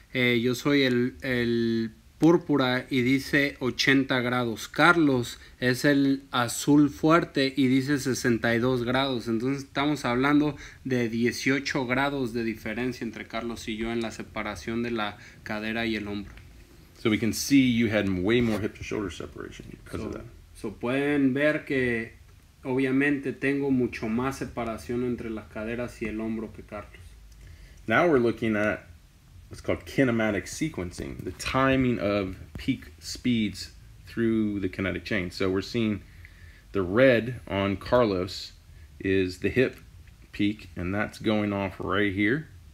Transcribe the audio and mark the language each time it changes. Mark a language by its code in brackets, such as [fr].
[es] Yo soy el púrpura y dice 80 grados. Carlos es el azul fuerte y dice 62 grados. Entonces estamos hablando de 18 grados de diferencia entre Carlos y yo en la separación de la cadera y el hombro. [en] So we can see you had way more hip to shoulder separation because of that. [es] So pueden ver que obviamente tengo mucho más separación entre las caderas y el hombro que Carlos. [en] Now we're looking at what's called kinematic sequencing, the timing of peak speeds through the kinetic chain. So we're seeing the red on Carlos is the hip peak, and that's going off right here.